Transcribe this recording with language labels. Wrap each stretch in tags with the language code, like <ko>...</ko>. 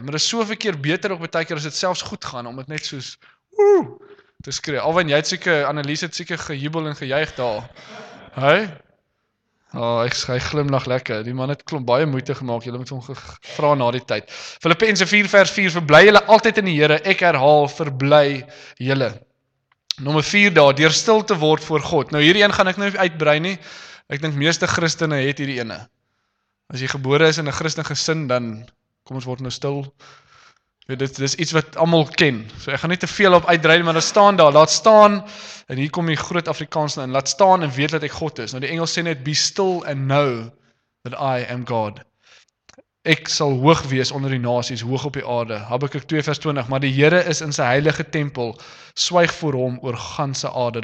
<af>Maar dis so verkeer beter op baie keer as dit selfs goed gaan om dit net soos ooh te skree. Alwen jy het seker Annelies het seker gejubel en gejuig daar. Hy? Oh, ek skry glimlag lekker. Die man het klomp baie moeite gemaak. Jy moet hom gevra na die tyd. Filippense 4 vers 4 verbly julle altyd in die Here. Ek herhaal verbly julle. Nommer 4 daar deur stil te word voor God. Nou hierdie een gaan ek nou uitbrei nie. Ek dink meeste Christene het hierdie ene. As jy gebore is in 'n Christelike gesin, dan kom ons word nou stil. Ja, dit is iets wat almal ken. So ek gaan nie te veel op uitdrei nie, maar daar staan daar, laat staan en hier kom die groot Afrikaans nou in. Laat staan en weet dat ek God is. Nou die Engels sê net</af> <en>be still and know that I am God.</en> <af>Ek sal hoog wees onder die nasies, hoog op die aarde. Habakuk 2 vers 20, maar die Here is in sy heilige tempel. Swyg voor hom oor ganse aarde.</af>